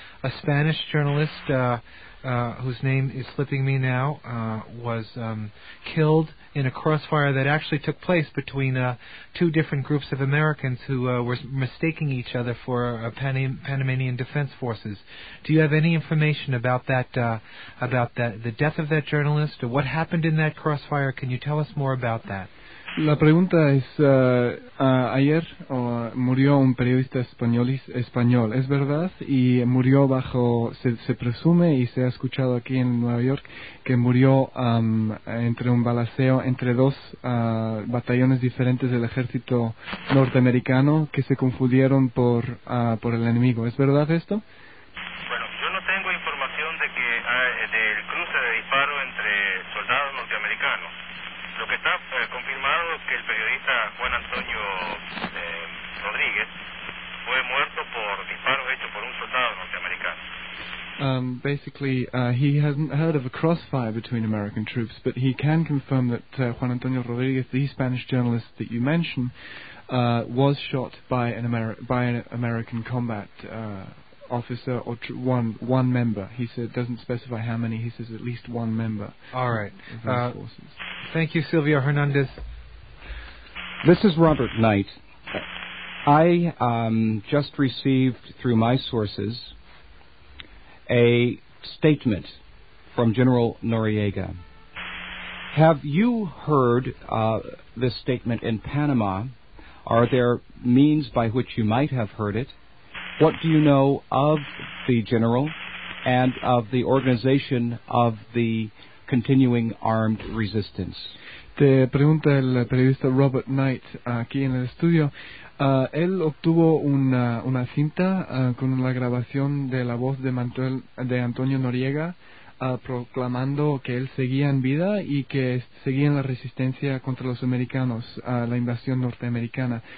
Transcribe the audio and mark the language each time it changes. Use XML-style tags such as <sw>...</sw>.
<en>A Spanish journalist, whose name is slipping me now, was killed in a crossfire that actually took place between two different groups of Americans who were mistaking each other for Panamanian Defense Forces. Do you have any information about that, the death of that journalist, or what happened in that crossfire? Can you tell us more about that?</en> <es>La pregunta es, ayer murió un periodista español, es verdad, y murió bajo, se presume y se ha escuchado aquí en Nueva York, que murió entre un balaceo entre dos batallones diferentes del ejército norteamericano que se confundieron por el enemigo. ¿Es verdad esto? Bueno, yo no tengo información de que del cruce de disparo entre soldados norteamericanos. Lo que está confirmado es que el periodista Juan Antonio Rodríguez fue muerto por disparos hechos por un soldado norteamericano.</es> <en>Basically, he hasn't heard of a crossfire between American troops, but he can confirm that Juan Antonio Rodriguez, the Spanish journalist that you mentioned, was shot by an American combat officer or one member. He said, doesn't specify how many. He says at least one member. All right. Thank you, Silvio Hernandez. This is Robert Knight. I just received through my sources a statement from General Noriega. Have you heard this statement in Panama? Are there means by which you might have heard it? What do you know of the general and of the organization of the continuing armed resistance?</en> <es>Te pregunta el periodista Robert Knight aquí en el estudio. Él obtuvo una cinta con la grabación de la voz de Antonio Noriega proclamando que él seguía en vida y que seguía en la resistencia contra los americanos, la invasión norteamericana.</es>